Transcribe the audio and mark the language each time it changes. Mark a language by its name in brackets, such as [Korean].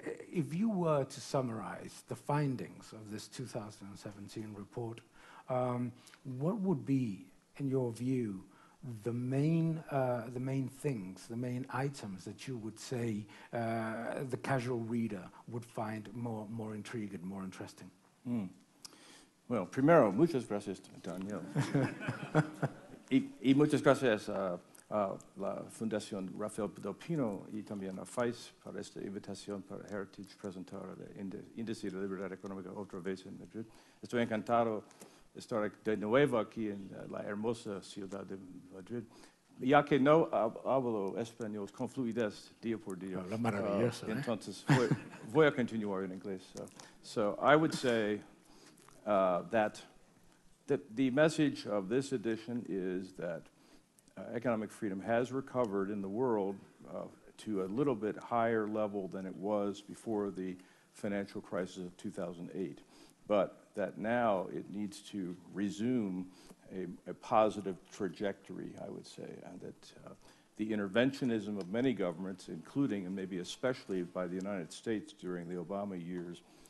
[English] If you were to summarize the findings of this 2017 report, what would be, in your view, the main items that you would say the casual reader would find more intriguing, more interesting? [Spanish] Mm. Well, primero, muchas gracias, Daniel. y muchas gracias a la Fundación Rafael del Pino y también a FAIS por esta invitación para Heritage presentar el Índice de Libertad Económica otra vez en Madrid. Estoy encantado de estar de nuevo aquí en la hermosa ciudad de Madrid. Ya que no hablo español con fluidez día por día. Habla maravilloso. Entonces, voy a continuar en inglés. [English] So I would say that the message of this edition is that economic freedom has recovered in the world to a little bit higher level than it was before the financial crisis of 2008, but that now it needs to resume a positive trajectory, I would say, and that the interventionism of many governments, including and maybe especially by the United States during the Obama years,